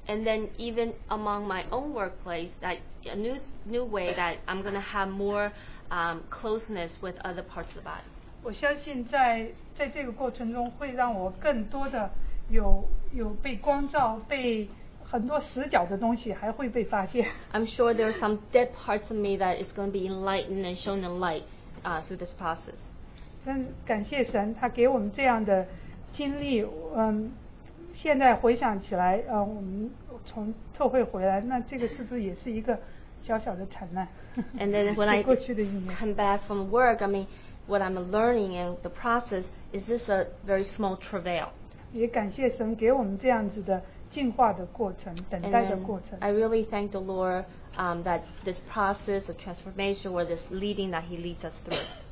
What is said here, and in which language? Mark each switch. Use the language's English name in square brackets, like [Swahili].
[English] And then even among my own workplace, that a new way that I'm going to have more closeness with other parts of the body. [Chinese] 我相信在这个过程中会让我更多的有被光照被 [English] I'm sure there are some dead parts of me that is going to be enlightened and shown in light through this process. [Chinese] 感谢神，他给我们这样的经历。现在回想起来，我们从特会回来，那这个是不是也是一个小小的惨难？ [English] And then when I come back from work, I mean, what I'm learning and the process, is this a very small travail? [Chinese] 也感谢神给我们这样子的 进化的过程，等待的过程。 [English] I really thank the Lord that this process of transformation or this leading that He leads us through.